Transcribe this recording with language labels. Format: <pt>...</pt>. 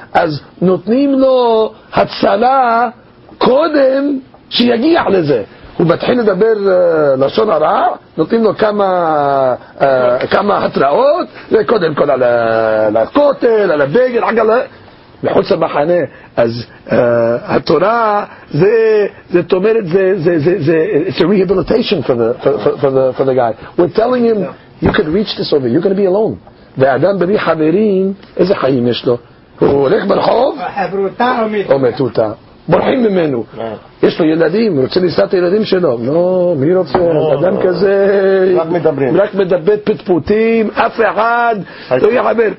<he>אז נותנים לו הצלה קודם שיגיע לזה. הוא מתחיל לדבר לשון הרע, נותנים לו כמה התראות, וקודם כל על הכותל, על הבגל, מחוץ למחנה. אז התורה זה, זאת אומרת,</he> <en>it's a rehabilitation for the guy. We're telling him, you can reach this over, you're going to be alone.</en> <he>ואדם בלי חברים, איזה חיים יש לו? הוא הולך ברחוב? חברותה או מתותה? או מתותה. בורחים ממנו. יש לו ילדים, הוא רוצה לסעת את הילדים שלו. לא, מי רוצה? אדם כזה רק מדברים, רק מדבר פטפוטים, אף אחד לא יחבר.</he>